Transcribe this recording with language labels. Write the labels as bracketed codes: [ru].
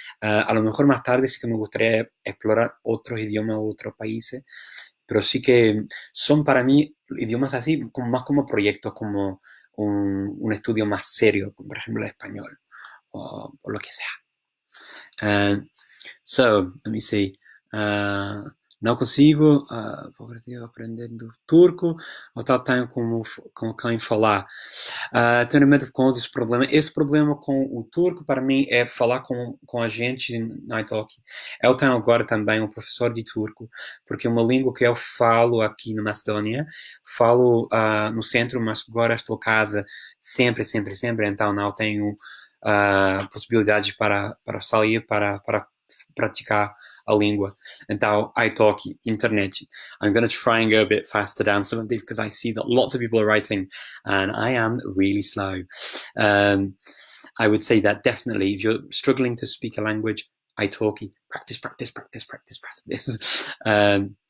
[es] A lo mejor más tarde sí que me gustaría explorar otros idiomas u otros países, pero sí que son para mí idiomas así, más como proyectos, como un estudio más serio, como por ejemplo el español o lo que sea. [en] So, let me see. [pt] No consigo, pobre Dios, aprender turco, ou tal, tenho com quem falar. Tenho medo com outros problemas. Esse problema com o turco, para mim, é falar com a gente na italki. Eu tenho agora também um professor de turco, porque é uma língua que eu falo aqui na Macedónia, falo no centro, mas agora estou em casa sempre, sempre, sempre, então não tenho possibilidade para sair, para praticar a língua. Então, italki, internet. [en] I'm going to try and go a bit faster down some of these because I see that lots of people are writing and I am really slow. I would say that definitely if you're struggling to speak a language, italki, practice, practice, practice, practice, practice.